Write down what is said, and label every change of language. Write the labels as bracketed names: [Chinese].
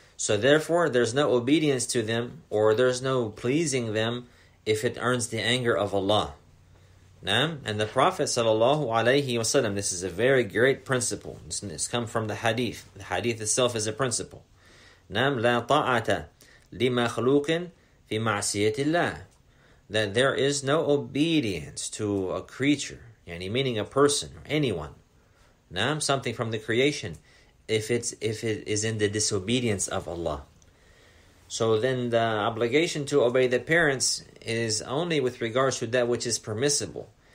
[English] So therefore, there's no obedience to them or there's no pleasing them if it earns the anger of Allah. Naam? And the Prophet sallallahu alayhi wasallam, this is a very great principle. It's come from the hadith. The hadith itself is a principle. Naam? [Arabic] لا طاعة لمخلوق في معصية الله. [English] That there is no obedience to a creature, any meaning a person, or anyone, naam, something from the creation, if it is in the disobedience of Allah. So then the obligation to obey the parents is only with regards to that which is permissible.